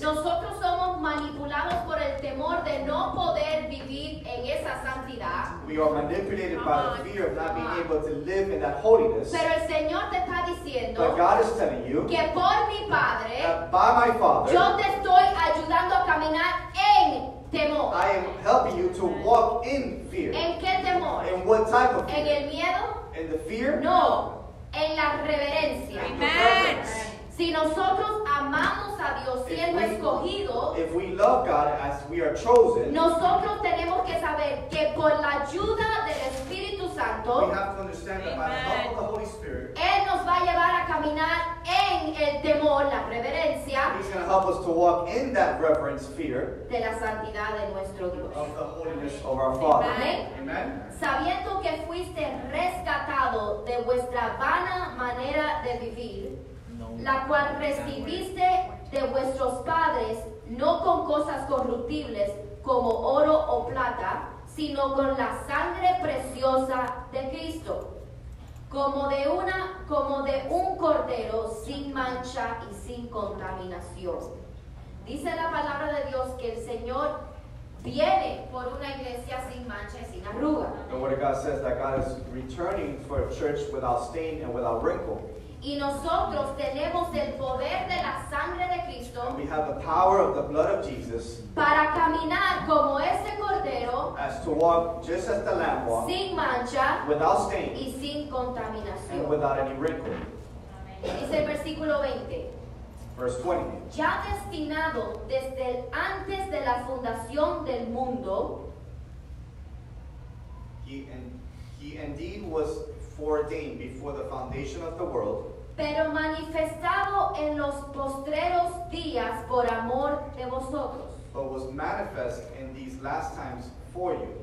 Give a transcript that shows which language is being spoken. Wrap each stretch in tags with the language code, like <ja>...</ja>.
<es>Nosotros somos manipulados por el temor de no poder vivir en esa santidad.</es> <en>We are manipulated by the fear of not being able to live in that holiness.</en> <es>Pero el Señor te está diciendo.</es> <en>But God is telling you.</en> <es>Que por mi Padre.</es> <en>By my Father.</en> <es>Yo te estoy ayudando a caminar en temor.</es> <en>I am helping you to walk in fear.</en> <es>¿En qué temor?</es> <en>In what type of fear?</en> <es>¿En el miedo?</es> <en>In the fear?</en> <es>No. En la reverencia.</es> <en>Amen.</en> <es>Si nosotros amamos a Dios siendo escogidos.</es> <en>If we love God as we are chosen.</en> <es>Nosotros tenemos que saber que por la ayuda del Espíritu Santo.</es> <en>We have to understand that by the help of the Holy Spirit.</en> <es>Él nos va a llevar a caminar en el temor, la reverencia.</es> <en>He's going to help help us to walk in that reverence fear</en> <es>de la santidad de nuestro Dios.</es> <en>Of the holiness of our Father. Amen. Amen.</en> <es>Sabiendo que fuiste rescatado de vuestra vana manera de vivir, la cual recibiste de vuestros padres, no con cosas corruptibles como oro o plata, sino con la sangre preciosa de Cristo, como de un cordero sin mancha y sin contaminación. Dice la palabra de Dios que el Señor viene por una iglesia sin mancha y sin arruga.</es> <en>The word of God says that God is returning for a church without stain and without wrinkle.</en> <es>Y nosotros tenemos el poder de la sangre de Cristo.</es> <en>We have the power of the blood of Jesus.</en> <es>Para caminar como ese cordero.</es> <en>As to walk just as the lamb walked.</en> <es>Sin mancha.</es> <en>Without stain.</en> <es>Y sin contaminación.</es> <en>And without any wrinkle.</en> <es>Dice el versículo 20.</es> <en>Verse 20.</en> <es>Ya destinado desde antes de la fundación del mundo.</es> <en>He indeed was ordained before the foundation of the world,</en> <es>pero manifestado en los postreros días por amor de vosotros,</es> <en>but was manifest in these last times for you,</en>